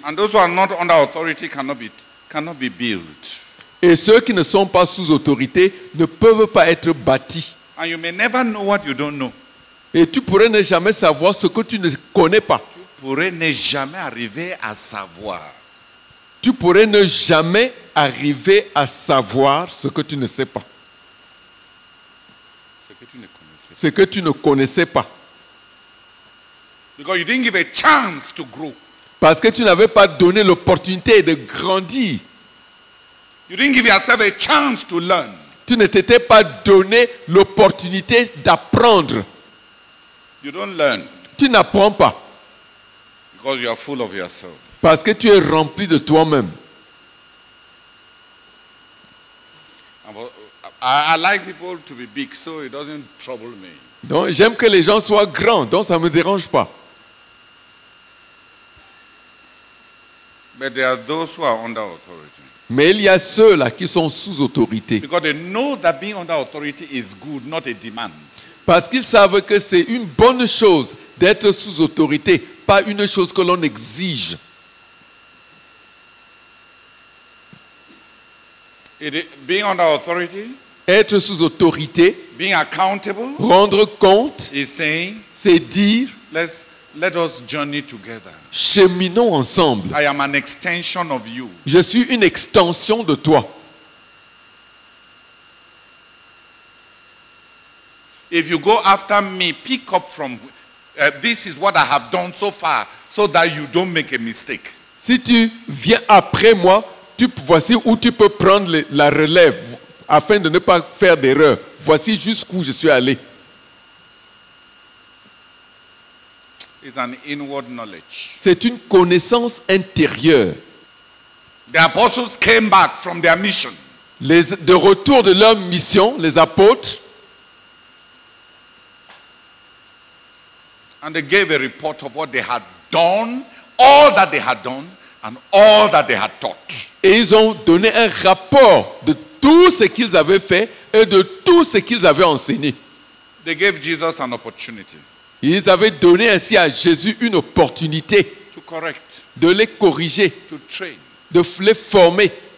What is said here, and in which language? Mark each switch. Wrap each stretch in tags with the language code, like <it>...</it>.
<en>And those who are not under authority cannot be built.</en> <fr>Et ceux qui ne sont pas sous autorité ne peuvent pas être bâtis.</fr> <en>And you may never know what you don't know.</en> <fr>Et tu pourrais ne jamais savoir ce que tu ne connais pas. Tu pourrais ne jamais arriver à savoir. Tu pourrais ne jamais arriver à savoir ce que tu ne sais pas. Ce que tu ne connaissais pas.</fr> <en>Because you didn't give a chance to grow.</en> <fr>Parce que tu n'avais pas donné l'opportunité de grandir.</fr> <en>You didn't give yourself a chance to learn.</en> <fr>Tu ne t'étais pas donné l'opportunité d'apprendre.</fr> <en>You don't learn.</en> <fr>Tu n'apprends pas.</fr> <en>Because you are full of yourself.</en> <fr>Parce que tu es rempli de toi-même.</fr> <en>I like people to be big, so it doesn't trouble me.</en> <fr>Donc j'aime que les gens soient grands, donc ça ne me dérange pas.</fr> <en>But there are those who are under authority.</en> <fr>Mais il y a ceux-là qui sont sous autorité.</fr> <en>Because they know that being under authority is good, not a demand.</en> <fr>Parce qu'ils savent que c'est une bonne chose d'être sous autorité, pas une chose que l'on exige.</fr> <en>Being under authority,</en> <fr>être sous autorité,</fr> <en>being accountable,</en> <fr>rendre compte,</fr> <en>is saying,</en> <fr>c'est dire,</fr> <en>let us journey together.</en> <fr>Cheminons ensemble.</fr> <en>I am an extension of you.</en> <fr>Je suis une extension de toi.</fr> <en>If you go after me, pick up from this is what I have done so far, so that you don't make a mistake.</en> <fr>Si tu viens après moi, voici où tu peux prendre la relève afin de ne pas faire d'erreur. Voici jusqu'où je suis allé.</fr> <en>It's an inward knowledge.</en> <fr>C'est une connaissance intérieure.</fr> <en>The apostles came back from their mission.</en> <fr>De retour de leur mission, les apôtres,</fr> <en>And they gave a report of what they had done, all that they had done, and all that they had taught.</en> <fr>Et ils ont donné un rapport de tout ce qu'ils avaient fait et de tout ce qu'ils avaient enseigné.</fr> <en>They gave Jesus an opportunity.</en> <fr>Ils avaient donné ainsi à Jésus une opportunité</fr> <en>to correct,</en> <fr>de les corriger,</fr> <en>to train,</en> <fr>de les former,</fr>